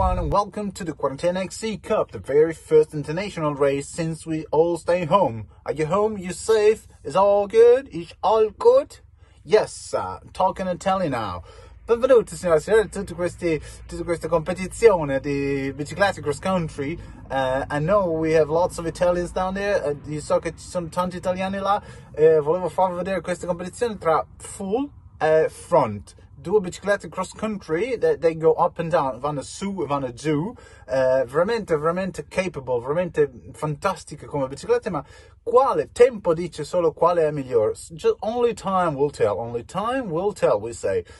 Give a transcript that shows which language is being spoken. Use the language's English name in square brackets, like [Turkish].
[English] Welcome to the Quarantine XC Cup, the very first international race since we all stay home. Are you home? You safe? Is all good? Is all good? Yes, talking Italian now. [Italian] Benvenuti signore e signori a tutta questa competizione di bicicletta cross country. [English] I know we have lots of Italians down there. You saw [Italian] che ci sono tanti italiani là. Volevo far vedere questa competizione tra full e front. Due biciclette cross country, [English] they go up and down, [Italian] vanno su e vanno giù, veramente, veramente capable, veramente fantastica come biciclette, ma quale tempo dice solo quale è migliore? [English] Just only time will tell, we say.